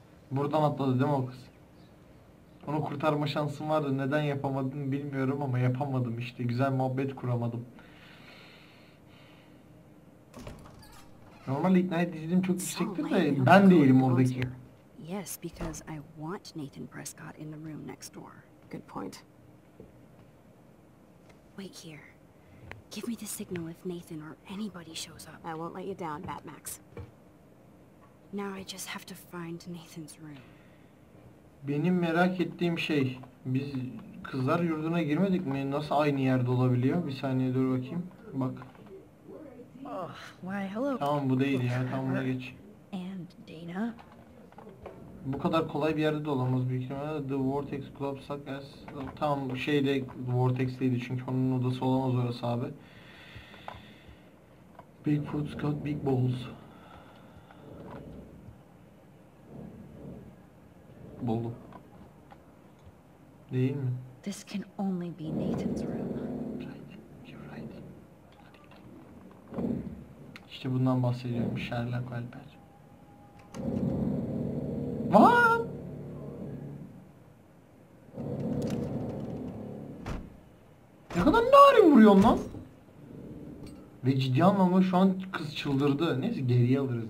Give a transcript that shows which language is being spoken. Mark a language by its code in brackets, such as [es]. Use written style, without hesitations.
[tr] Buradan atladı değil mi o kız? Onu kurtarma şansım vardı. Neden yapamadım bilmiyorum ama yapamadım işte. Güzel muhabbet kuramadım. Normal ignite izledim çok yüksektir de ben değilim oradaki. [en] Yes, because I want Nathan Prescott in the room next door. Good point. Wait here. Give me the signal if Nathan or anybody shows up. I won't let you down, Batmax. Now I just have to find Nathan's room. [tr] Benim merak ettiğim şey, biz kızlar yurduna girmedik mi? Nasıl aynı yerde olabiliyor? Bir saniye dur bakayım. Bak. [en] Why, hello. [tr] Tamam, bu değil ya. Tamam, buna geç. [en] And Dana? [tr] Bu kadar kolay bir yerde de olamaz büyük ihtimalle. [en] The Vortex Club suck as... [tr] Tamam, şeyde Vortex'teydi çünkü onun odası olamaz orası abi. [en] Bigfoot's got big balls. [tr] Bollu. Değil mi? [en] This can only be Nathan's room. Right, you're right. [tr] İşte bundan bahsediyorum. Sherlock Alper. Ne kadar narin vuruyor lan? Ve ciddi anlamda şu an kız çıldırdı. Neyse geriye alırız.